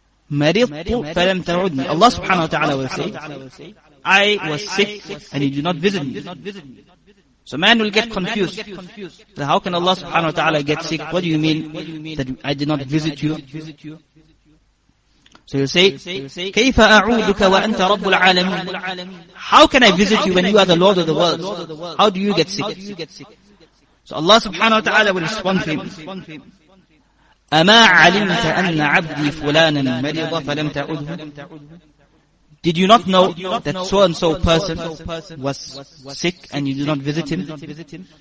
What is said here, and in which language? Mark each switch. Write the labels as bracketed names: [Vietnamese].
[Arabic] مَرِضْتُ فَلَمْ تَعُدْنِي. [English] Allah subhanahu wa ta'ala will say, I was sick and you did not visit me. So man will get confused. So how can Allah subhanahu wa ta'ala get sick? What do you mean that I did not visit you? So you say, [Arabic] كَيْفَ أَعُودُكَ وَأَنْتَ رَبُّ الْعَالَمِينَ. [English] How can I visit you when you are the Lord of the world? How do you get sick? So Allah subhanahu wa ta'ala will respond to him, [Arabic] أَمَا عَلِمْتَ أَنَّ عَبْدِي فُلَانًا مَرِضَ فَلَمْ تَعُدْهُ. [English] Did you not know that so and so person was sick and you did not visit him?